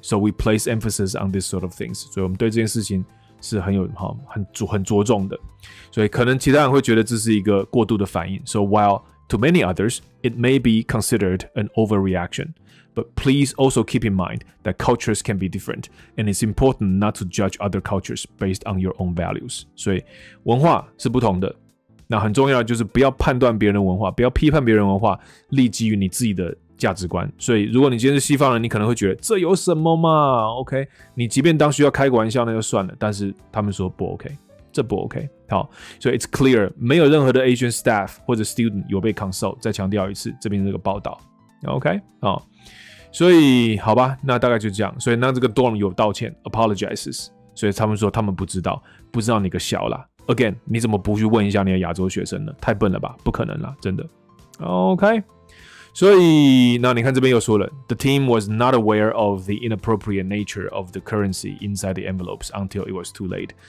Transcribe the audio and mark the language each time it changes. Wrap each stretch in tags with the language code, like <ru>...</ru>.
<en>So we place emphasis on this sort of things，</en> <zh>所以我们对这件事情是很有哈很着重的，所以可能其他人会觉得这是一个过度的反应。</zh> <en>So while to many others it may be considered an overreaction。 But please also keep in mind that cultures can be different, and it's important not to judge other cultures based on your own values.</en> <zh>所以文化是不同的，那很重要的就是不要判断别人的文化，不要批判别人文化，立基于你自己的价值观。所以如果你今天是西方人，你可能会觉得这有什么嘛 ？OK， 你即便当需要开个玩笑，那就算了。但是他们说不 OK， 这不 OK。好，所以</zh> <en>it's clear</en> <zh>没有任何的 Asian staff 或者 student 有被 consult。再强调一次，这边这个报道。OK， 好，所以好吧，那大概就这样。所以那这个 dorm 有道歉 ，apologizes。所以他们说他们不知道你个小啦。Again， 你怎么不去问一下你的亚洲学生呢？太笨了吧，不可能啦，真的。</zh> <en>OK，</en> <zh>所以那你看这边又说了</zh> <en>，the team was not aware of the inappropriate nature of the currency inside the envelopes until it was too late。</en>